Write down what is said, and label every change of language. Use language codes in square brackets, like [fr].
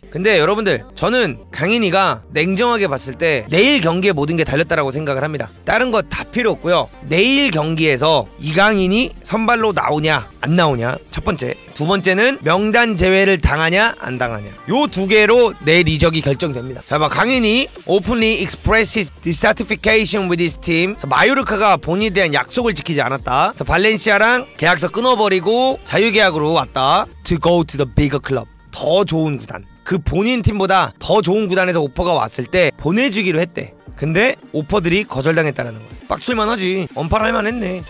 [ko] 근데 여러분들 저는 강인이가 냉정하게 봤을 때 내일 경기에 모든 게 달렸다라고 생각을 합니다. 다른 거 다 필요 없고요. 내일 경기에서 이강인이 선발로 나오냐 안 나오냐 첫 번째, 두 번째는 명단 제외를 당하냐 안 당하냐, 요 두 개로 내일 이적이 결정됩니다. 자, 봐 [en] 강인이 openly expressed his dissatisfaction with his team. [ko] 마요르카가 본인에 대한 약속을 지키지 않았다. 그래서 발렌시아랑 계약서 끊어버리고 자유계약으로 왔다. [en] To go to the bigger club. [ko] 더 좋은 구단. 그 본인 팀보다 더 좋은 구단에서 오퍼가 왔을 때 보내주기로 했대. 근데 오퍼들이 거절당했다라는 거야. 빡칠만 하지. 언팔할만 했네.